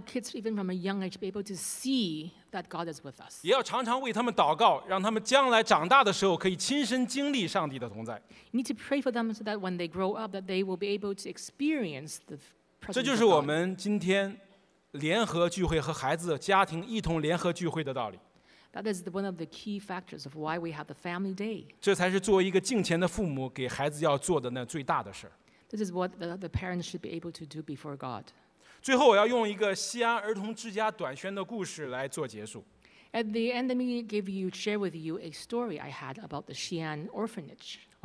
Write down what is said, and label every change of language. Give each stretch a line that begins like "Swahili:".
English: kids, even from a young age, be able to see that God is with us.
Chinese: 也要常常为他们祷告, 让他们将来长大的时候可以亲身经历上帝的同在。
English: You need to pray for them so that when they grow up, that they will be able to experience the presence of God.
Chinese: 这就是我们今天 联合聚会和孩子家庭一同联合聚会的道理。
English: That is one of the key factors of why we have the family day.
Chinese: 这才是作为一个敬虔的父母给孩子要做的那最大的事儿。
English: This is what the parents should be able to do before God.
Chinese: 最后我要用一个西安儿童之家短宣的故事来做结束。
English: At the end, let me share with you a story I had about the Xi'an orphanage.